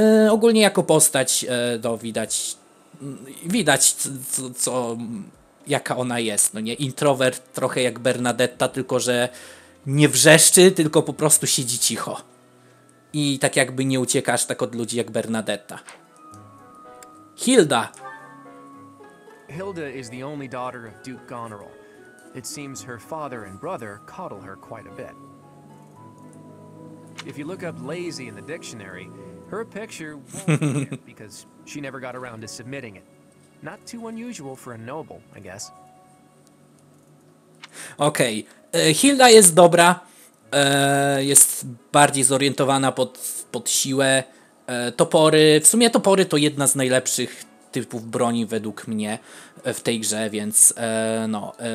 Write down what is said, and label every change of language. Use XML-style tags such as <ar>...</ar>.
<pl>Ogólnie jako postać, to widać co jaka ona jest, no nie, introwert trochę jak Bernadetta, tylko że nie wrzeszczy, tylko po prostu siedzi cicho i tak jakby nie uciekasz tak od ludzi jak Bernadetta.</pl> <en>Hilda is the only daughter of Duke Goneril. It seems her father and brother coddle her quite a bit. If you look up lazy in the dictionary, her picture won't be because she never got around to submitting it. Not too unusual for a noble, I guess.</en> <pl>Okej. Okay. Hilda jest dobra. Jest bardziej zorientowana pod siłę. Topory. W sumie topory to jedna z najlepszych typów broni według mnie w tej grze, więc no.</pl>